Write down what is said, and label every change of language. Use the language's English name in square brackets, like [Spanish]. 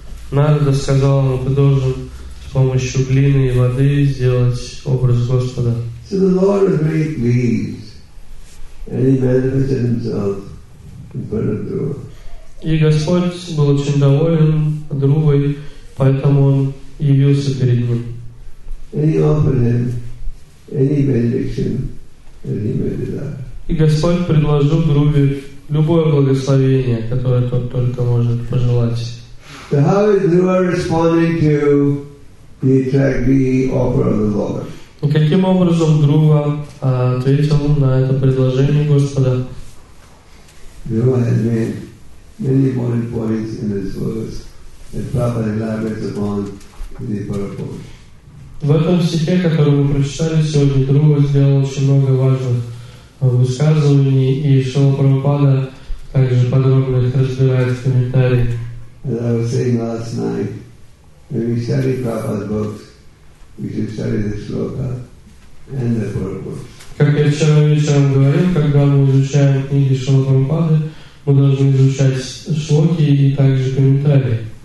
[Russian] Нарада сказал ему, ты должен с помощью глины и воды сделать образ Господа. [English] So the Lord was very pleased, and he manifested himself in front of the Lord. [Russian] И Господь был очень доволен Друвой, поэтому Он явился перед Ним. И Господь предложил Друве любое благословение, которое тот только может пожелать. И каким образом Друва ответил на это предложение Господа? [English] Many important points in this verse that Prabhupada elaborates upon in the Purport. [Russian] В этом стихе, который мы прочитали сегодня, Друга сделал очень много важных высказываний, и Шрила Прабхупада также подробно их разбирает в комментариях. Как я вчера вечером говорил, когда мы изучаем книги Шрила Прабхупады, мы должны изучать шлоки и также комментарии.